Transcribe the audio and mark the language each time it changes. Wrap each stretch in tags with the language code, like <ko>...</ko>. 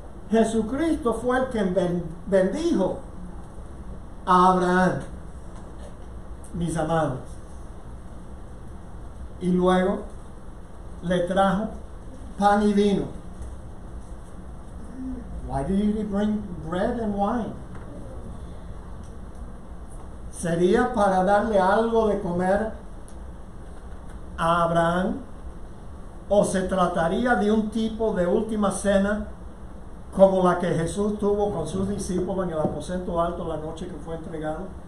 <es>Jesucristo fue el quien bendijo a Abraham, mis amados. Y luego le trajo pan y vino.</es> <en>Why did he bring bread and wine?</en> <es>¿Sería para darle algo de comer a Abraham? ¿O se trataría de un tipo de última cena como la que Jesús tuvo con sus discípulos en el aposento alto la noche que fue entregado.</es>